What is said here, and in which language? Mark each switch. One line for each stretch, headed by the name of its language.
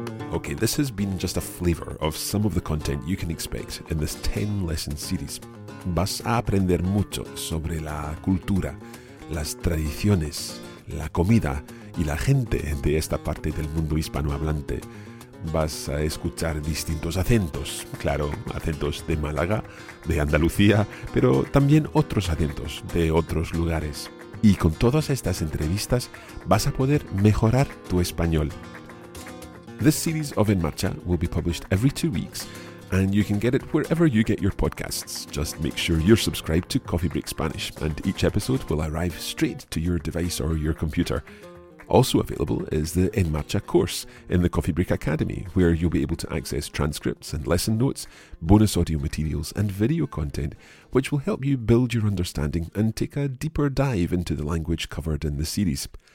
English: Okay, this has been just a flavor of some of the content you can expect in this 10-lesson series.
Spanish: Vas a aprender mucho sobre la cultura, las tradiciones, la comida y la gente de esta parte del mundo hispanohablante. Vas a escuchar distintos acentos, claro, acentos de Málaga, de Andalucía, pero también otros acentos de otros lugares. Y con todas estas entrevistas vas a poder mejorar tu español.
English: This series of En Marcha will be published every 2 weeks, and you can get it wherever you get your podcasts. Just make sure you're subscribed to Coffee Break Spanish, and each episode will arrive straight to your device or your computer. Also available is the En Marcha course in the Coffee Break Academy, where you'll be able to access transcripts and lesson notes, bonus audio materials and video content, which will help you build your understanding and take a deeper dive into the language covered in the series.